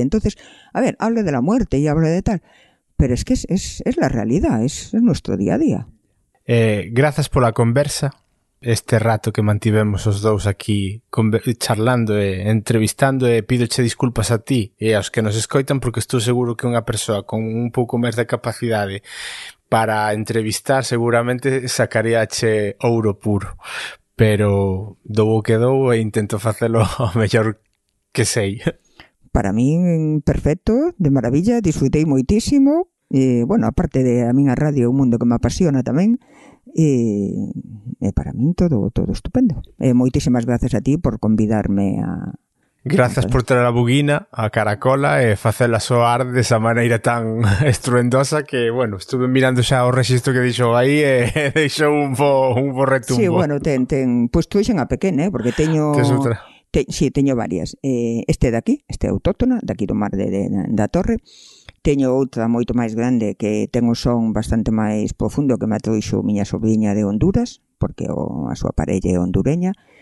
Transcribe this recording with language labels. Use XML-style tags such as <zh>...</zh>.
<es>Entonces, a ver, hable de la muerte y hable de tal, pero es que es la realidad, es nuestro día a día. Gracias por la conversa.</es> <gl>Este rato que mantivemos os dous aquí charlando e entrevistando, pídoche disculpas a ti e aos que nos escoitan, porque estou seguro que unha persoa con un pouco máis de capacidade para entrevistar seguramente sacaríache ouro puro, pero dou o que dou e intento facelo o mellor que sei. Para min, perfecto, de maravilla, disfrutei moitísimo. Bueno, aparte de a miña radio, un mundo que me apasiona tamén, E para min todo estupendo. Moitísimas gracias a ti por convidarme a... Grazas por traer a buguina, a caracola e facela soar de esa maneira tan estruendosa que, bueno, estuve mirando xa o rexisto que dixo aí e deixou un bo retumbo. Sí, bueno, ten pues tú xen a pequena, porque teño... Tens outra. Sí, teño varias. Este de aquí, este autóctona, de aquí do mar da Torre. Teño outra moito máis grande que ten un son bastante máis profundo que me trouxo miña sobrinha de Honduras, porque a súa parella é hondureña.</gl>